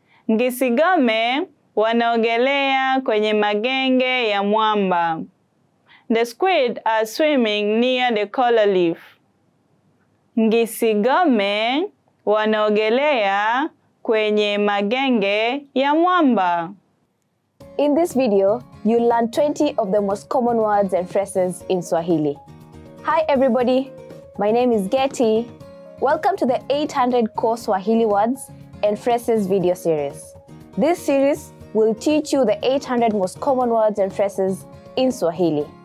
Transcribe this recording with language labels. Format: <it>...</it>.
<sw>Ngisigome wanaogelea kwenye magenge ya mwamba.</sw> <en>The squid are swimming near the coral reef.</en> <sw>Ngisigome wanaogelea kwenye magenge ya mwamba.</sw> <en>In this video, you learn 20 of the most common words and phrases in Swahili. Hi everybody, my name is Getty. Welcome to the 800 Core Swahili Words and Phrases video series. This series will teach you the 800 most common words and phrases in Swahili.</en>